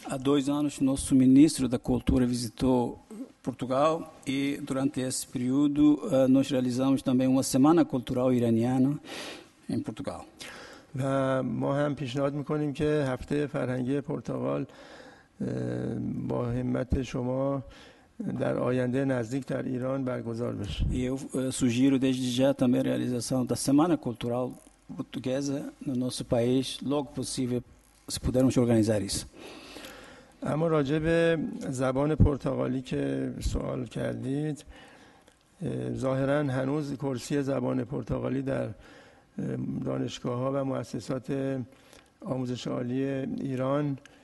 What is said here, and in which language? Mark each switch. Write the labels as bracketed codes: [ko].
[pt] Há dois anos nosso ministro da cultura visitou Portugal e durante esse período nós realizamos também uma semana cultural iraniana em Portugal. [fa] و ما هم پیشنهاد میکنیم که هفته فرهنگی پرتغال با همت شما در آینده نزدیک در ایران برگزار بشه. [pt] Eu sugiro desde já também a realização da semana cultural portuguesa no nosso país logo possível, se pudermos organizar isso. [fa] اما راجع به زبان پرتغالی که سوال کردید، ظاهرا هنوز کرسی زبان پرتغالی در دانشگاه‌ها و مؤسسات آموزش عالی ایران